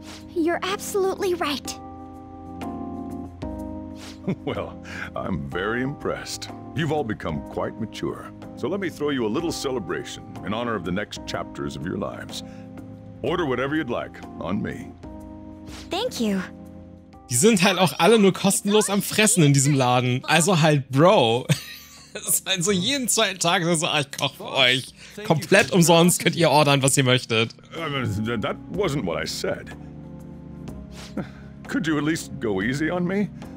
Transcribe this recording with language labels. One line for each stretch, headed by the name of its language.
English: You're absolutely right. Well, I'm very impressed. You've all become quite mature. So let me throw you a little celebration in honor of the next chapters of your lives. Order whatever you'd like on me. Thank you.
German: Die sind halt auch alle nur kostenlos am Fressen in diesem Laden. Also halt, Bro. Das ist halt so jeden zweiten Tag so, ich koch für euch. Komplett umsonst könnt ihr ordern, was ihr möchtet.
English: That wasn't what I said. Could you at least go easy on me?